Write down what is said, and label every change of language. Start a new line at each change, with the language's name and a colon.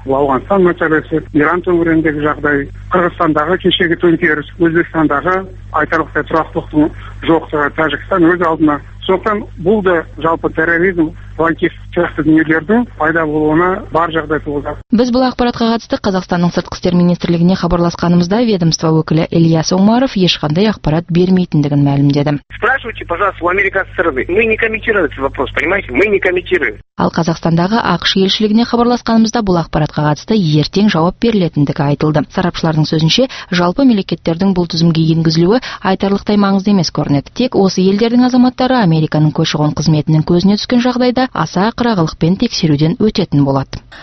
Kazakh: Ауғанстан мәселесі, Иран төңірегіндегі жағдай, Қырғызстандағы кешегі төңкеріс, Өзбекстандағы айтарлықтай тұрақтылықтың жоқтығы, Тәжікстан өз алдына. Сондықтан бұл да жалпы терроризм лаңкестік дүниелердің пайда болуына бар жағдай туғызады. Біз бұл ақпаратқа қатысты Қазақстанның сыртқы істер министрлігіне хабарласқанымызда ведомство өкілі Ильяс Омаров ешқандай ақпарат бермейтіндігін мәлімдеді.
Russian: Спрашивайте, пожалуйста, у американцев СРБ. Мы не комментируем этот вопрос, понимаете? Мы не комментируем.
Kazakh: Ал Қазақстандағы ақш елшілігіне хабарласқанымызда бұл ақпаратқа қатысты ертең жауап берілетіндігі айтылды. Сарапшылардың сөзінше, жалпы мемлекеттердің бұл тізімге енгізілуі айтарлықтай маңызды емес көрінеді. Тек осы елдердің азаматтары Американың көші-қон қызметінің көзіне түскен жағдайда аса қырағылықпен тексеруден өтетін болады.